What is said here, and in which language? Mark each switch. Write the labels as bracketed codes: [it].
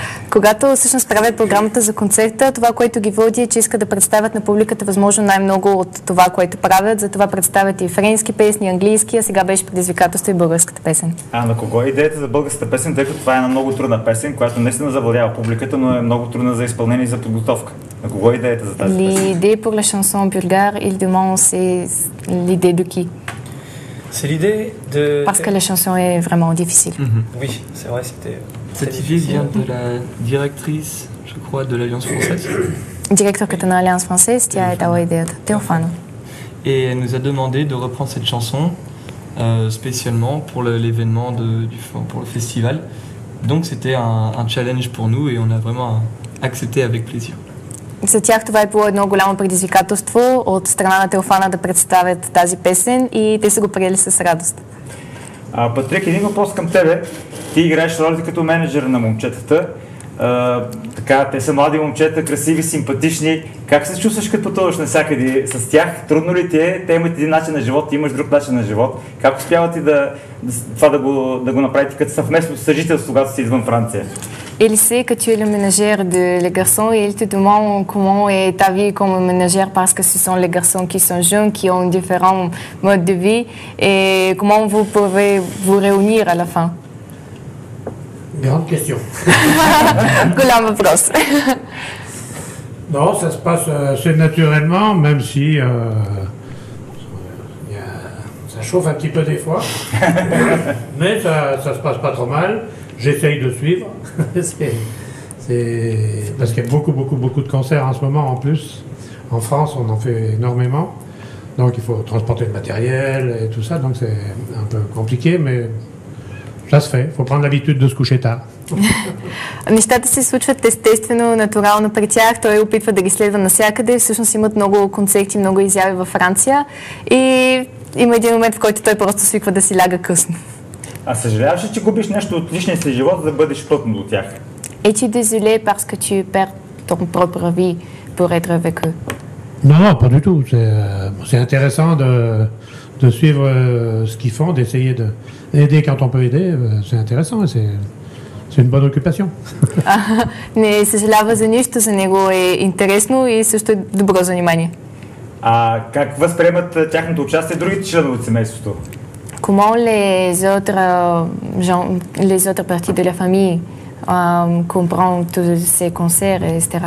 [bg] Когато всъщност правят програмата за концерта, това, което ги води е, че искат да представят на публиката възможно най-много от това, което правят. Затова представят и френски песни, английски, а сега беше предизвикателство и българската песен. А на кого е идеята за българската песен, тъй като това е една много трудна песен, която наистина завладява публиката, но е много трудна за изпълнение и за подготовка. На кого е идеята за тази песен? [fr] L'idée pour la chanson bulgare, il demande l'idée de qui? C'est l'idée de... Parce que la chanson est vraiment difficile. Mm-hmm. Oui, c'est vrai, c'était... Cette idée vient de la directrice, je crois, de l'Alliance française. Directeur de l'Alliance française, qui a été à l'idée de Théophane. Et elle nous a demandé de reprendre cette chanson spécialement pour l'événement, pour le festival. Donc c'était un challenge pour nous et on a vraiment accepté avec plaisir. [bg] За тях това е било едно голямо предизвикателство от страна на Теофана да представят тази песен и те са го приели с радост. Патрик, един въпрос към тебе. Ти играеш ролята като менеджер на момчетата. Така, те са млади момчета, красиви, симпатични. Как се чувстваш като пътуваш навсякъде с тях? Трудно ли ти е? Те имат един начин на живот, ти имаш друг начин на живот. Как успявате да го направите като съвместно съжителство, когато си извън Франция? [fr] Il sait que tu es le ménager de les garçons et il te demande comment est ta vie comme ménager parce que ce sont les garçons qui sont jeunes, qui ont différents modes de vie et comment vous pouvez vous réunir à la fin? Grande question. Grande réponse. Non, ça se passe assez naturellement, même si ça chauffe un petit peu des fois, mais ça se passe pas trop mal. J'essaye de suivre. C'est parce qu'il y a beaucoup, beaucoup, beaucoup de concerts en ce moment, en plus. En France, on en fait énormément. Donc, il faut transporter le matériel et tout ça. Donc, c'est un peu compliqué, mais ça se fait. Il faut prendre l'habitude de se coucher tard. [bg] Нещата се случват естествено, натурално при тях. Той опитва да ги следва навсякъде. Всъщност имат много концерти, много изяви във Франция. И има един момент, в който той просто свиква да си ляга късно. А съжаляваш ли, че губиш нещо от личния си живот, за да бъдеш пътно до тях? [fr] Es-tu désolé parce que tu perds ton propre vie pour être avec eux? Non, pas du tout. C'est intéressant de suivre ce qu'ils font, d'essayer d'aider quand on peut aider. C'est intéressant. C'est une bonne occupation. [bg] Не съжалява за нищо, за него е интересно и също е добро занимание. А как възприемат тяхното участие другите членове от семейството? [fr] Comment les autres parties de la famille comprennent tous ces concerts, etc.